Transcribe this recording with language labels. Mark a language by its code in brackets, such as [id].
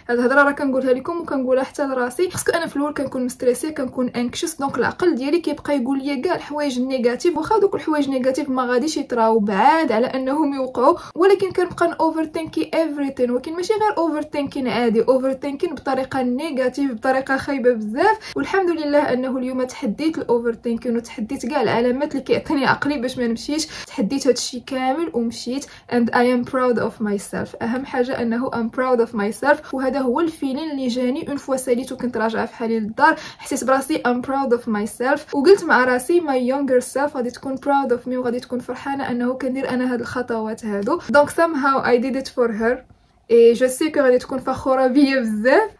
[ar] هاد الهضره راه كنقولها لكم وكنقولها حتى لراسي، باسكو انا في الاول كنكون مستريسي كنكون انكشس، دونك العقل ديالي كيبقى يقول لي كاع الحوايج نيجاتيف، واخا دوك الحوايج نيجاتيف ما غاديش يطراو بعاد على انهم يوقعوا، ولكن كنبقى [en] اوفر ثينكي ايفريثين، [ar] ولكن ماشي غير اوفر ثينكين عادي، اوفر ثينكين بطريقه نيجاتيف بطريقه خايبه بزاف. والحمد لله انه اليوم تحديت الاوفر ثينكين وتحديت كاع العلامات اللي كيعطيني عقلي باش ما نمشيش. تحديت هادشي كامل ومشيت [en] and I am proud of myself. [ar] اهم حاجه انه [en] I'm proud of myself, [ar] وهذا هو الفيلين اللي جاني [fr] اون فوا ساليت [ar] وكنت راجعه في حالي للدار. حسيت براسي [en] I'm proud of myself [ar] وقلت مع راسي [en] my younger self [ar] غادي تكون [en] proud of me [ar] وغادي تكون فرحانه انه كندير انا هاد الخطوات هادو. دونك [en] somehow I did it for her [fr] اي جو سي كو [ar] غادي تكون فخوره بيا بزاف.